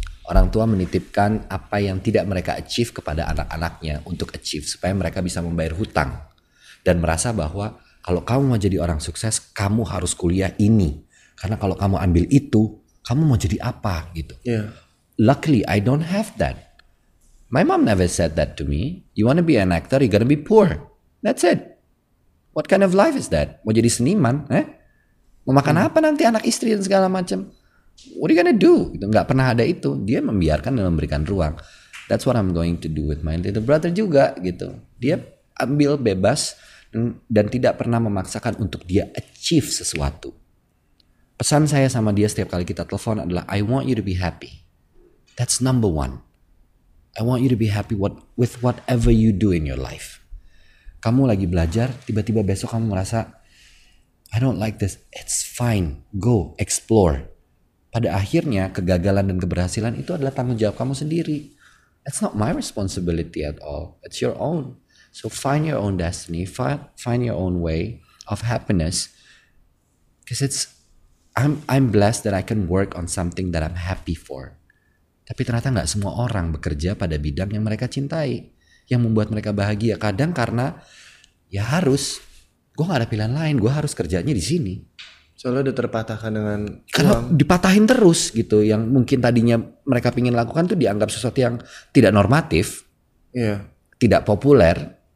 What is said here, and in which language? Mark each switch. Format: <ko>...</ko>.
<id>Orang tua menitipkan apa yang tidak mereka achieve kepada anak-anaknya untuk achieve supaya mereka bisa membayar hutang dan merasa bahwa kalau kamu mau jadi orang sukses, kamu harus kuliah ini. Karena kalau kamu ambil itu, kamu mau jadi apa gitu. Yeah.</id> <en>Luckily, I don't have that. My mom never said that to me. You want to be an actor, you're going to be poor. That's it. What kind of life is that?</en> <id>Mau jadi seniman, eh? Mau makan apa nanti anak istri dan segala macam?</id> <en>What are you gonna do?</en> <id>Gitu. Gak pernah ada itu. Dia membiarkan dan memberikan ruang.</id> <en>That's what I'm going to do with my little brother</en> <id>juga gitu. Dia ambil bebas dan tidak pernah memaksakan untuk dia achieve sesuatu. Pesan saya sama dia setiap kali kita telepon adalah,</id> <en>I want you to be happy. That's number one. I want you to be happy with whatever you do in your life.</en> <id>Kamu lagi belajar, tiba-tiba besok kamu merasa,</id> <en>I don't like this. It's fine. Go explore.</en> <id>Pada akhirnya kegagalan dan keberhasilan itu adalah tanggung jawab kamu sendiri.</id> <en>It's not my responsibility at all. It's your own. So find your own destiny. Find your own way of happiness. Because I'm blessed that I can work on something that I'm happy for.</en> <id>Tapi ternyata gak semua orang bekerja pada bidang yang mereka cintai. Yang membuat mereka bahagia. Kadang karena ya harus. Gue gak ada pilihan lain. Gue harus kerjanya di sini. Soalnya udah terpatahkan dengan kalau dipatahin terus gitu, yang mungkin tadinya mereka pingin lakukan tuh dianggap sesuatu yang tidak normatif, tidak populer.</id>